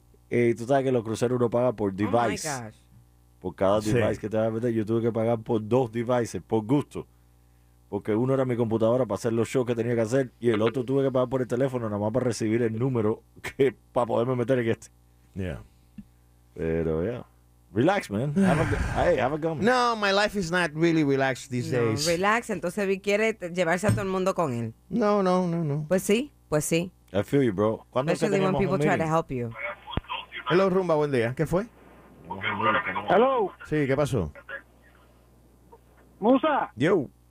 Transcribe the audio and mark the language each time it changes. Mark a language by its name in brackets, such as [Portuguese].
[Spanish] Tú sabes que los cruceros uno paga por device. [English] Oh my gosh. [Spanish] Por cada device que te vas a meter, yo tuve que pagar por 2 devices, por gusto. Porque uno era mi computadora para hacer los shows que tenía que hacer, y el otro tuve que pagar por el teléfono, nada más para recibir el número que para poderme meter en este. [English] Yeah. Pero, yeah. Relax, man. Have a go. No, my life is not really relaxed these days. No, relax. [Spanish] Entonces, Vic quiere llevarse a todo el mundo con él. No. Pues sí. [English] I feel you, bro. [Spanish] ¿Cuándo es que tenemos un meeting? [English] Especially when people try to help you. [Spanish] Hello, Rumba. Buen día. ¿Qué fue? [English] Hello. [Spanish] Sí, ¿qué pasó? Musa. Yo,